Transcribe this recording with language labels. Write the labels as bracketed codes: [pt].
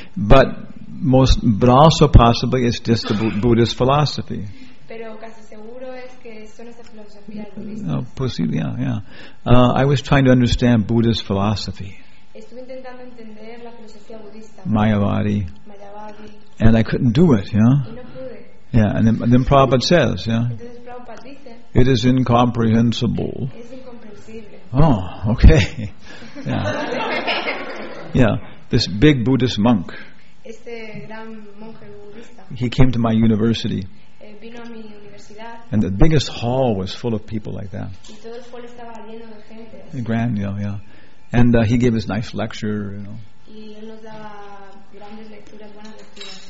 [en] But also possibly it's just the Buddhist philosophy. [es] Pero casi seguro es que son esa filosofía budista. [en] Possibly, yeah. I was trying to understand Buddhist philosophy. [es] Estuve intentando entender la filosofía budista. [en] Mayavadi. And I couldn't do it, yeah. [es] Y no pude. [en] Yeah, and then Prabhupada says, yeah. [es] Entonces Prabhupada dice, [en] it is incomprehensible. [es] Es incomprensible. [en] Oh, okay. Yeah. Yeah. This big Buddhist monk. [es] Este gran monje budista. [en] He came to my university. [es] Vino a mi universidad. [en] And the biggest hall was full of people like that. [es] Y todo el hall estaba lleno de gente. [en] Grand, yeah. And he gave his nice lecture, you know. [es] Y él nos daba grandes lecturas, buenas lecturas.